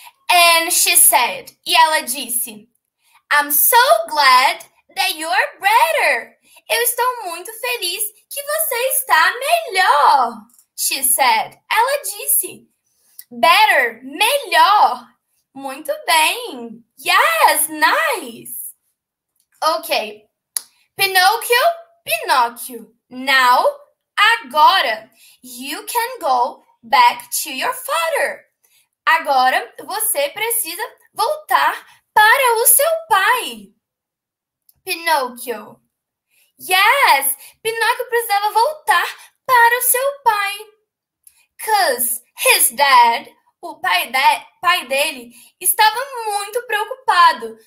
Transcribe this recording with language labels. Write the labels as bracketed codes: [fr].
[en] And she said, [pt] e ela disse, [en] I'm so glad that you're better. [pt] Eu estou muito feliz que você está melhor. [en] She said, [pt] ela disse, [en] better, melhor. [pt] Muito bem. [en] Yes, nice. Okay. Pinocchio, Pinocchio. Now, [pt] agora, [en] you can go back to your father. [pt] Agora, você precisa voltar para o seu pai. Pinocchio. Yes, Pinocchio precisava voltar para o seu pai. [en] Cause his dad, [pt] o pai dele, estava muito preocupado.